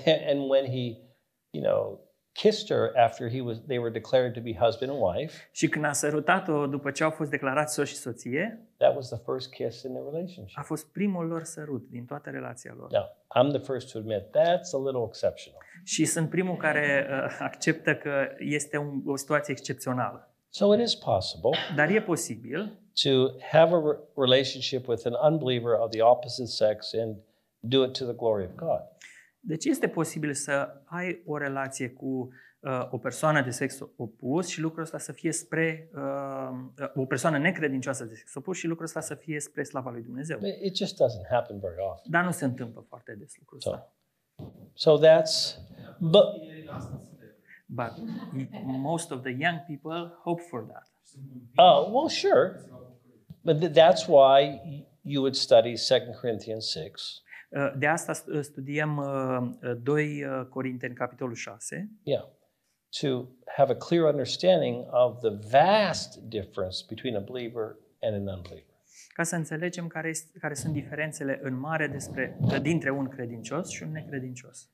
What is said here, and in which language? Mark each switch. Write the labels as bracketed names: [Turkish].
[English] And when he, you know, kissed her after they were declared to be husband and wife. [Romanian] Și când a sărutat-o după ce au fost declarați soț și soție. [English] That was the first kiss in the relationship. [Romanian] A fost primul lor sărut din toată relația lor. [English] Now, I'm the first to admit that's a little exceptional. [Romanian] Și sunt primul care acceptă că este o situație excepțională. [English] So it is possible. [Romanian] Dar e posibil [English] to have a relationship with an unbeliever of the opposite sex and do it to the glory of God. [Romanian] Deci este posibil să ai o relație cu o persoană de sex opus și lucrul ăsta să fie spre o persoană necredincioasă de sex opus și lucrul ăsta să fie spre slava lui Dumnezeu. [English] It just doesn't happen very often. [Romanian] Dar nu se întâmplă foarte des lucrul ăsta. [English] So that's but most of the young people hope for that. Oh, well sure. But that's why you would study 2 Corinthians 6. [Romanian] De asta studiem 2 Corinteni capitolul 6. [English] Yeah. To have a clear understanding of the vast difference between a believer and an unbeliever. [Romanian] Ca să înțelegem care sunt diferențele în mare despre dintre un credincios și un necredincios.